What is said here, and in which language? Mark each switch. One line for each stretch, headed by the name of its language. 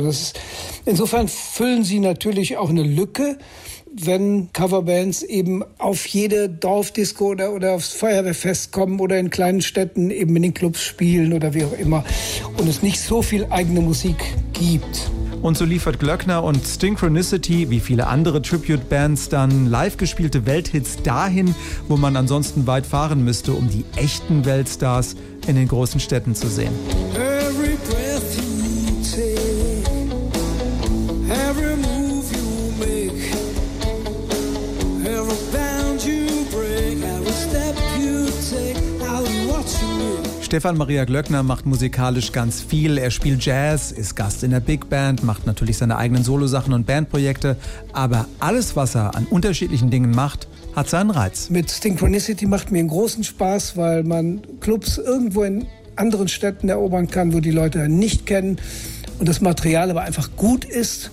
German: Das ist, insofern füllen sie natürlich auch eine Lücke, wenn Coverbands eben auf jede Dorfdisco oder aufs Feuerwehrfest kommen oder in kleinen Städten eben in den Clubs spielen oder wie auch immer und es nicht so viel eigene Musik gibt. Und so liefert Klöckner und Synchronicity, wie viele andere Tribute-Bands, dann live gespielte Welthits dahin, wo man ansonsten weit fahren müsste, um die echten Weltstars in den großen Städten zu sehen.
English: Every breath you take, every move you make, every bound you break, every step you take, I'll watch you.
German: Stefan Maria Klöckner macht musikalisch ganz viel. Er spielt Jazz, ist Gast in der Big Band, macht natürlich seine eigenen Solosachen und Bandprojekte. Aber alles, was er an unterschiedlichen Dingen macht, hat seinen Reiz. Mit Synchronicity macht mir einen großen Spaß, weil man Clubs irgendwo in anderen Städten erobern kann, wo die Leute nicht kennen und das Material aber einfach gut ist.